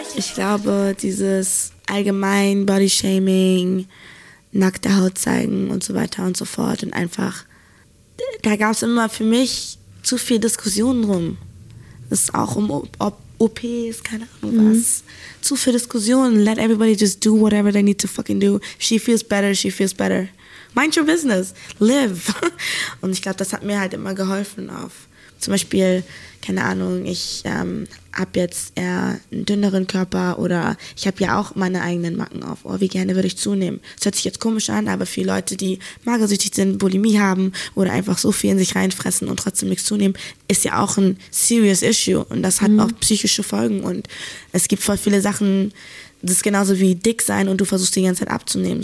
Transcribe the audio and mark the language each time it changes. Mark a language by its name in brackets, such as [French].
[German] Ich glaube, dieses allgemein Bodyshaming, nackte Haut zeigen und so weiter und so fort und einfach, da gab es immer für mich zu viel Diskussionen drum. Das ist auch um ob OPs, keine Ahnung was. Zu viel Diskussionen. [English] Let everybody just do whatever they need to fucking do. She feels better, she feels better. Mind your business. Live. [German] Und ich glaube, das hat mir halt immer geholfen auf. Zum Beispiel, keine Ahnung, ich habe jetzt eher einen dünneren Körper oder ich habe ja auch meine eigenen Macken auf. Oh, wie gerne würde ich zunehmen? Das hört sich jetzt komisch an, aber für Leute, die magersüchtig sind, Bulimie haben oder einfach so viel in sich reinfressen und trotzdem nichts zunehmen, ist ja auch ein [English] serious issue [German] und das hat auch psychische Folgen und es gibt voll viele Sachen, das ist genauso wie dick sein und du versuchst die ganze Zeit abzunehmen.